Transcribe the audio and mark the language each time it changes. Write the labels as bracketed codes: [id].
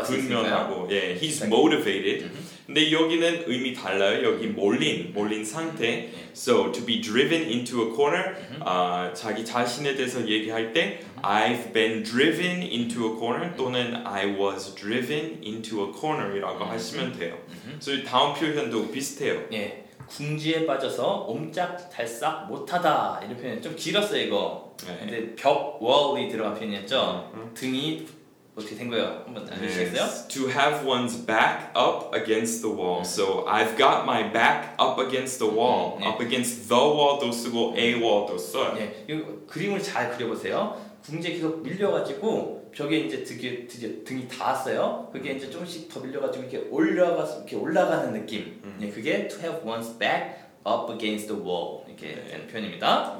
[ko] 분명하고 예, he's motivated 근데 여기는 의미 달라요 여기 몰린 상태 So [en] to be driven into a corner [ko] 자기 자신에 대해서 얘기할 때 [en] I've been driven into a corner [ko] 또는 [en] I was driven into a corner [ko] 이라고 하시면 돼요 So 다음 표현도 비슷해요 예. 궁지에 빠져서 옴짝달싹 못하다 이런 표현 좀 길었어요 이거 네. 근데 벽 wall이 들어간 표현이었죠 등이 어떻게 된 거예요? 한번 알려주시겠어요? [en] Yes. To have one's back up against the wall So I've got my back up against the wall [ko] 네. [en] Up against the wall도 [ko] 쓰고 [en] a wall도 써요 [ko] 네. 그림을 잘 그려보세요 궁지에 계속 밀려가지고 벽에 이제 등이 닿았어요. 그게 이제 조금씩 더 밀려가지고 이렇게 올라가서 이렇게 올라가는 느낌. 예, 그게 [en] to have one's back up against the wall [ko] 이렇게 네. 된 표현입니다.